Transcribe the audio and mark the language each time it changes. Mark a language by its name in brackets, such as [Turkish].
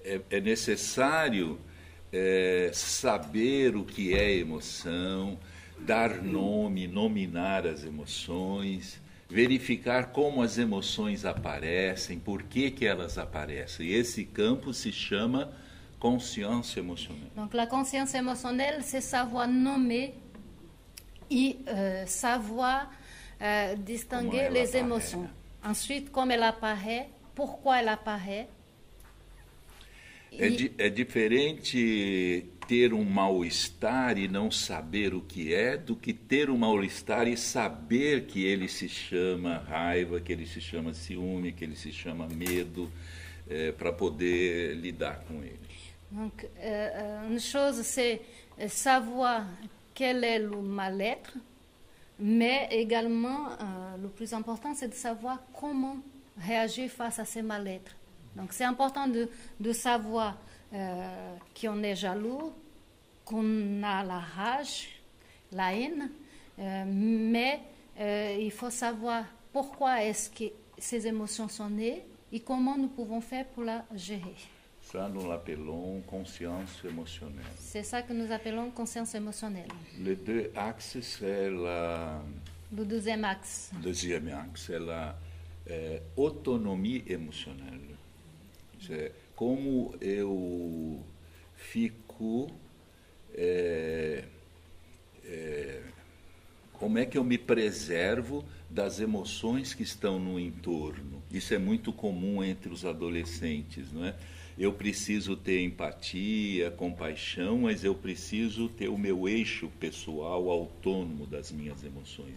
[Portuguese] É necessário saber o que é emoção, dar nome, nominar as emoções, verificar como as emoções aparecem, por que que elas aparecem. E esse campo se chama [French] conscience émotionnelle. Donc la conscience émotionnelle, c'est savoir nommer et savoir distinguer les émotions. Ensuite, comment elle apparaît, pourquoi elle apparaît. É diferente ter um mal-estar e não saber o que é, do que ter um mal-estar e saber que ele se chama raiva, que ele se chama ciúme, que ele se chama medo, para poder lidar com ele. Donc, une chose, c'est savoir quel est le mal-être, mais également, le plus important, c'est de savoir comment réagir face à ces mal-être. Donc, c'est important de savoir qu'on est jaloux, qu'on a la rage, la haine, mais il faut savoir pourquoi est-ce que ces émotions sont nées et comment nous pouvons faire pour la gérer. Ça, nous l'appelons conscience émotionnelle. C'est ça que nous appelons conscience émotionnelle. Les deux axes, c'est la... Le deuxième axe. Le deuxième axe, c'est la autonomie émotionnelle. C'est comment [Portuguese] eu fico, como é que eu me preservo das emoções que estão no entorno. Isso é muito comum entre os adolescentes, não é? Eu preciso ter empatia, compaixão, mas eu preciso ter o meu eixo pessoal autônomo das minhas emoções.